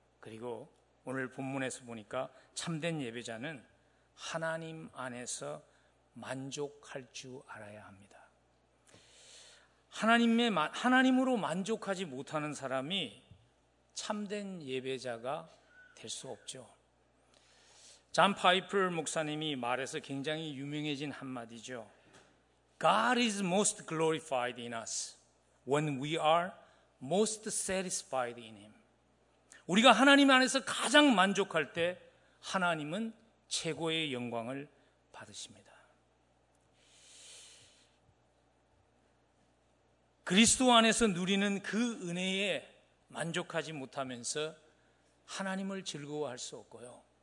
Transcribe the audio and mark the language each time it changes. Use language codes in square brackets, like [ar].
[ko] 그리고 오늘 본문에서 보니까 참된 예배자는 하나님 안에서 만족할 줄 알아야 합니다. 하나님으로 만족하지 못하는 사람이 참된 예배자가 될 수 없죠. 존 파이퍼 목사님이 말해서 굉장히 유명해진 한마디죠. [en] God is most glorified in us when we are most satisfied in him. [ko] 우리가 하나님 안에서 가장 만족할 때 하나님은 최고의 영광을 받으십니다. 그리스도 안에서 누리는 그 은혜에 만족하지 못하면서 하나님을 즐거워할 수 없고요.